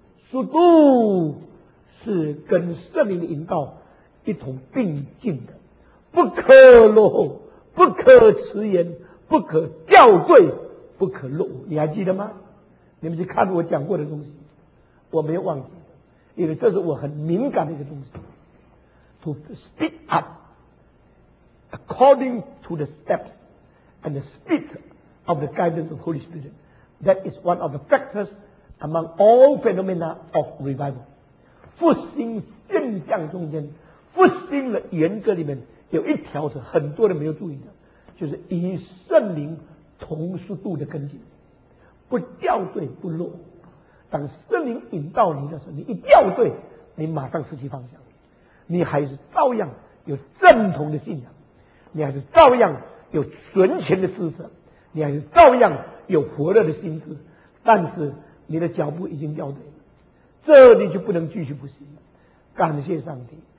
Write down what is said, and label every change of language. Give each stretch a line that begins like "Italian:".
Chinese: 速度是跟圣灵的引导一同并进的，不可落后，不可迟延，不可掉队，不可落伍。你还记得吗？你们去看我讲过的东西，我没有忘记，因为这是我很敏感的一个东西。
English: To speed up according to the steps and the speed of the guidance of Holy Spirit, that is one of the factors among all phenomena of revival.
Chinese: 复兴现象中间复兴的原则里面有一条是很多人没有注意的，就是以圣灵同速度的跟进，不掉队不落。当圣灵引导你的时候，你一掉队，你马上失去方向，你还是照样有正统的信仰，你还是照样有存钱的知识，你还是照样有活络的心智，但是你的脚步已经掉队了，这你就不能继续复兴。感谢上帝。